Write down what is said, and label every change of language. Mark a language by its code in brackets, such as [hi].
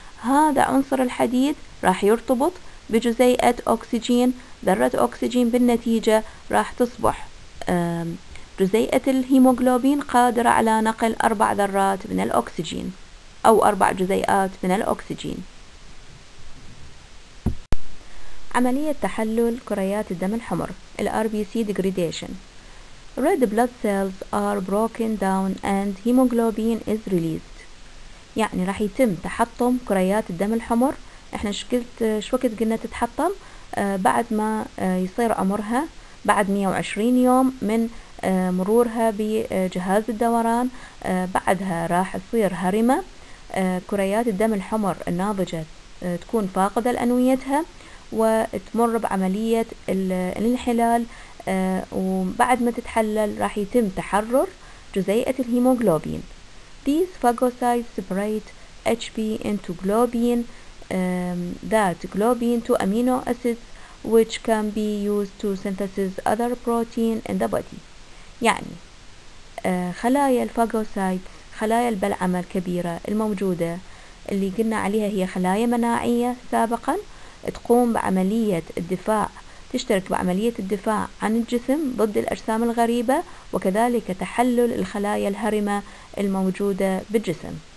[ar] هذا عنصر الحديد راح يرتبط بجزيئة أكسجين، ذرة أكسجين، بالنتيجة راح تصبح جزيئة الهيموغلوبين قادرة على نقل 4 ذرات من الأكسجين أو 4 جزيئات من الأكسجين. عملية تحلل كريات الدم الحمر الـ [en] RBC degradation. Red blood cells are broken down and hemoglobin is released. [ar] يعني راح يتم تحطم كريات الدم الحمر. احنا شو وقت قلنا تتحطم؟ بعد ما يصير عمرها، بعد 120 يوم من مرورها بجهاز الدوران، بعدها راح تصير هرمة. كريات الدم الحمر الناضجة تكون فاقدة لأنويتها وتمر بعملية الانحلال، وبعد ما تتحلل راح يتم تحرر جزيئة الهيموغلوبين. [en] These phagocytes separate HB into globin that globin to amino acids which can be used to synthesize other protein in the body. [ar] يعني خلايا الفاغوسايت، خلايا البلعمة الكبيرة الموجودة اللي قلنا عليها هي خلايا مناعية سابقا، تقوم بعملية الدفاع، تشترك بعملية الدفاع عن الجسم ضد الأجسام الغريبة، وكذلك تحلل الخلايا الهرمة الموجودة بالجسم.